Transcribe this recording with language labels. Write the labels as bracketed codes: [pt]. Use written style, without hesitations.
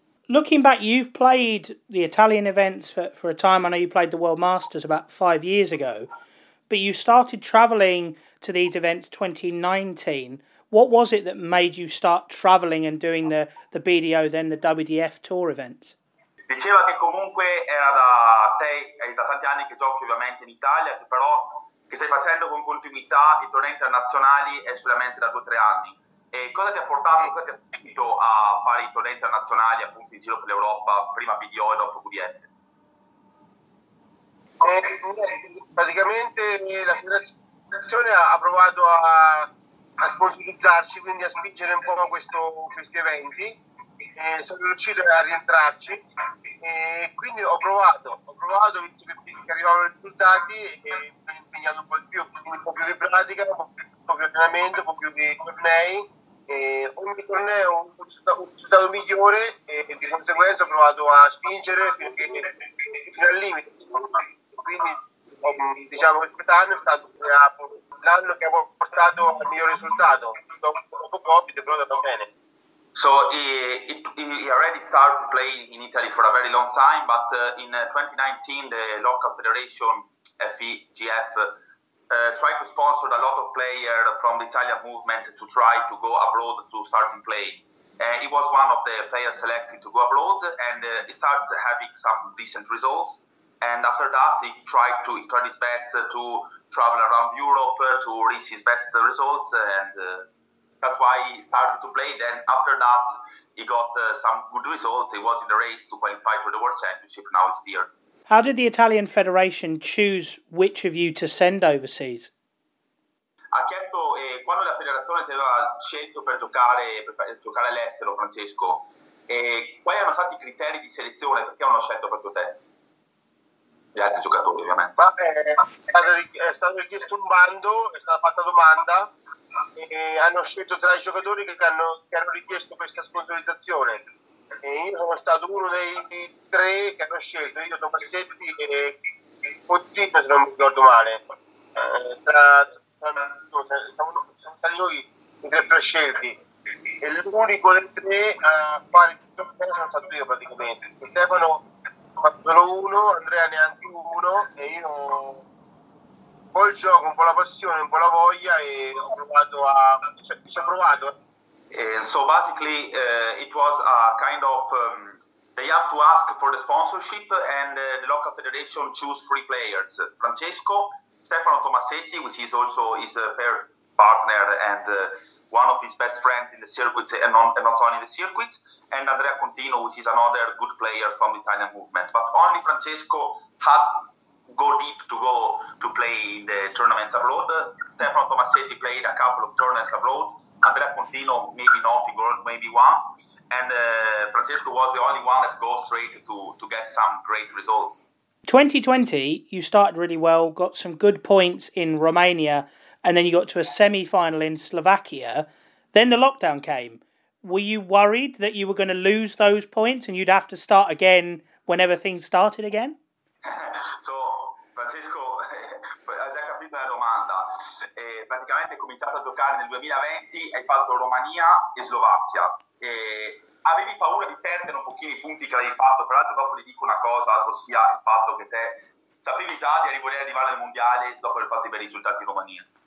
[en] Looking back, you've played the Italian events for a time. I know you played the World Masters about 5 years ago. But you started travelling to these events 2019. What was it that made you start travelling and doing the BDO, then the WDF tour events? [it] Diceva che comunque era da te, è da tanti anni che giochi ovviamente in Italia, che però che stai facendo con continuità i tornei internazionali è solamente da 2-3 anni. E cosa ti ha portato, cosa ti ha spinto a fare i tornei internazionali appunto in giro per l'Europa, prima BDO e dopo WDF? Praticamente la federazione ha provato a sponsorizzarci, quindi a spingere un po' questi eventi, e sono riuscito a rientrarci, e quindi ho provato visto che arrivavano i risultati, e mi sono impegnato un po' di più, quindi un po' più di pratica, un po' più di allenamento, un po' più di tornei, e ogni torneo un risultato migliore, e di conseguenza ho provato a spingere fino al limite, insomma. Quindi diciamo che quest'anno è stato l'anno che ha portato al miglior risultato dopo Covid, però è andato bene. [en] So he already started to play in Italy for a very long time, but in 2019 the local federation FEGF tried to sponsor a lot of players from the Italian movement to try to go abroad to start and play. He was one of the players selected to go abroad, and he started having some decent results. And after that, he tried his best to travel around Europe to reach his best results, and that's why he started to play. Then after that, he got some good results. He was in the race to qualify for the World Championship. Now it's here. How did the Italian Federation choose which of you to send overseas? [it] Ha chiesto quando la federazione ti aveva scelto per giocare all'estero, Francesco. E quali erano stati i criteri di selezione? Perché hanno scelto proprio te? Gli altri giocatori, ovviamente. È stato richiesto un bando, è stata fatta domanda, e hanno scelto tra i giocatori che hanno richiesto questa sponsorizzazione. E io sono stato uno dei tre che hanno scelto, io Tomasetti e Pottino, se non mi ricordo male. Sono stati noi i tre prescelti. E l'unico dei tre a fare tutto il sono stato io, praticamente. E Stefano solo uno, Andrea neanche uno, e io un po' il gioco, un po' la passione, un po' la voglia, e ci ho provato. [en] And so basically it was a kind of they have to ask for the sponsorship, and the local federation choose three players: Francesco, Stefano Tomasetti, which is also his partner and one of his best friends in the circuit, and not only in the circuit, and Andrea Contino, which is another good player from the Italian movement. But only Francesco had go deep to go to play in the tournaments abroad. Stefano Tomasetti played a couple of tournaments abroad. Andrea Contino, maybe nothing, or maybe one. And Francesco was the only one that goes straight to get some great results. 2020, you started really well, got some good points in Romania, and then you got to a semi-final in Slovakia. Then the lockdown came. Were you worried that you were going to lose those points and you'd have to start again whenever things started again? [it] So, Francesco, hai già capito la domanda. Praticamente giocare nel 2020, hai fatto Romania e Slovacchia. E avevi paura di perdere un pochino i punti che avevi fatto? Peraltro dopo ti dico una cosa, ossia il fatto che te sapevi già di voler arrivare al Mondiale dopo aver fatto i bei risultati in Romania.